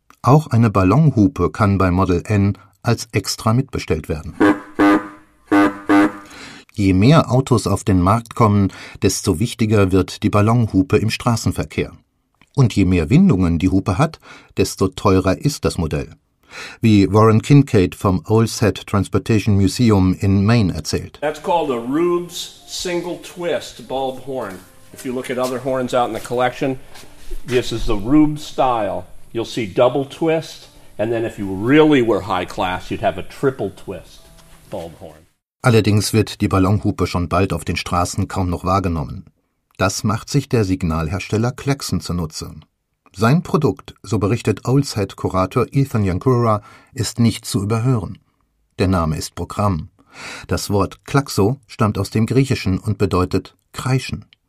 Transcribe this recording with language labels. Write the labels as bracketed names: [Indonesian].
[German] Auch eine Ballonhupe kann bei Model N als extra mitbestellt werden. Je mehr Autos auf den Markt kommen, desto wichtiger wird die Ballonhupe im Straßenverkehr. Und je mehr Windungen die Hupe hat, desto teurer ist das Modell. Wie Warren Kincaid vom Olsett Transportation Museum in Maine erzählt. [English] That's called a Rube's Single Twist Bulb Horn. If you look at other horns out in the collection, this is the Rube style. You'll see double twist, and then if you really were high class, you'd have a triple twist bulb horn. [German] Allerdings wird die Ballonhupe schon bald auf den Straßen kaum noch wahrgenommen. Das macht sich der Signalhersteller Klaxon zunutze. Sein Produkt, so berichtet Olsett-Kurator Ethan Yankura, ist nicht zu überhören. Der Name ist Programm. Das Wort Klaxo stammt aus dem Griechischen und bedeutet kreischen.